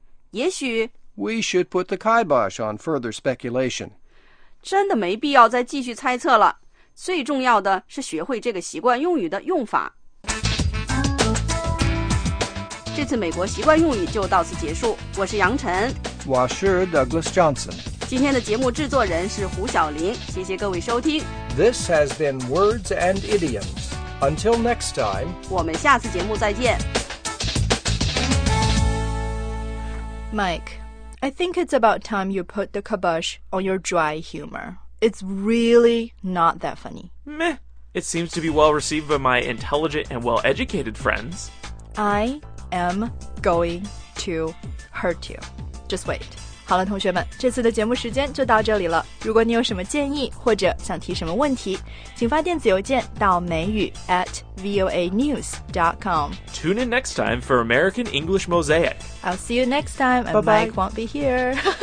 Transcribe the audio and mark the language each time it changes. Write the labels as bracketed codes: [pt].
[zh] 也许 [en] We should put the kibosh on further speculation. [zh] 真的没必要再继续猜测了，最重要的是学会这个习惯用语的用法。这次美国习惯用语就到此结束，我是杨晨，我是 Douglas Johnson。今天的节目制作人是胡晓玲，谢谢各位收听。 [en] This has been Words and Idioms. Until next time, [zh] 我们下次节目再见。 [en] Mike, I think it's about time you put the kibosh on your dry humor. It's really not that funny. Meh, it seems to be well received by my intelligent and well-educated friends. I am going to hurt you. Just wait. [zh] 好了，同学们，这次的节目时间就到这里了。如果你有什么建议或者想提什么问题，请发电子邮件到美语@voanews.com. [en] Tune in next time for American English Mosaic. I'll see you next time. And Mike won't be here.